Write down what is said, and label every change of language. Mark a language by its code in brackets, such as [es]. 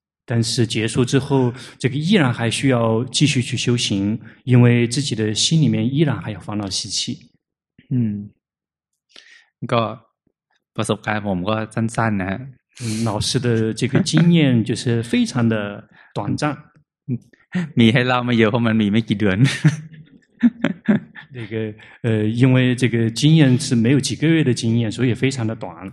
[zh] 但是结束之后，这个依然还需要继续去修行，因为自己的心里面依然还有烦恼习气。 [th] 嗯，ก็ประสบการณ์ผมก็สั้นๆนะ。 [zh] 老师的这个经验就是非常的短暂。 [th] มีให้เล่ามาเยอะเพราะมันมีไม่กี่เดือน [zh] 那个因为这个经验是没有几个月的经验所以非常的短